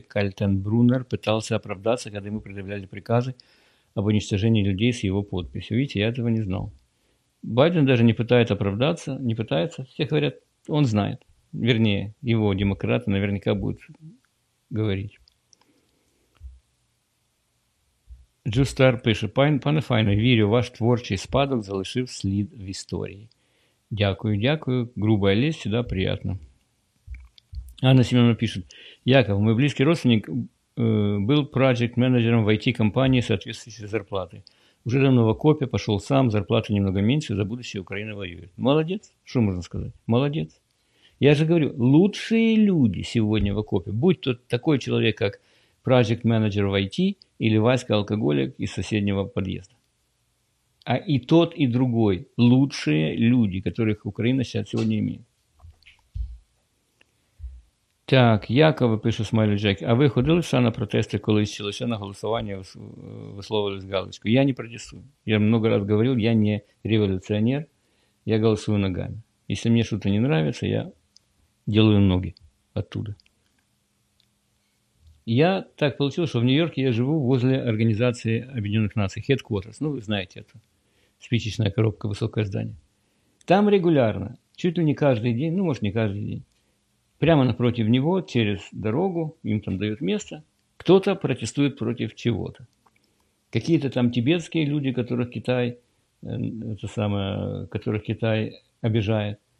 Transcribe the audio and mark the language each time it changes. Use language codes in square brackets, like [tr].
[ru] Кальтенбруннер пытался оправдаться, когда ему предъявляли приказы об уничтожении людей с его подписью. Видите, я этого не знал. Байден даже не пытается оправдаться, не пытается. Все говорят, он знает. Вернее, его демократы наверняка будут говорить. [uk] Джустар пише. Пане Файне, вірю, ваш творчий спадок залишив слід в історії. Дякую, дякую. [ru] Грубая лесть, всегда приятно. Анна Семеновна пишет. Яков, мой близкий родственник был проект-менеджером в IT-компании соответствующей зарплаты. Уже давно в окопе, пошел сам, зарплата немного меньше, за будущее Украина воюет. Молодец, что можно сказать? Молодец. Я же говорю, лучшие люди сегодня в окопе, будь то такой человек, как проект-менеджер в IT или Васька-алкоголик из соседнего подъезда. А и тот, и другой лучшие люди, которых Украина сейчас сегодня имеет. [uk] Так, Якова пише Смайлі Джек. А ви ходили ще на протести, коли ще лише на голосування висловились галочку? Я не протестую. Я много раз говорив, я не революціонер, я голосую ногами. Якщо мені щось не подобається, [ru] я делаю ноги оттуда. [uk] Я так вийшло, що в Нью-Йорку я живу возле Організації Об'єднаних Націй, Headquarters. Ну, ви знаєте, це спичечна коробка, високе здання. [ru] Там регулярно, чуть ли не [uk] кожен день, ну, може, не кожен день, [ru] прямо напротив него, через дорогу, им там дают место, кто-то протестует против чего-то. Какие-то там тибетские люди, которых Китай, это самое, которых Китай обижает.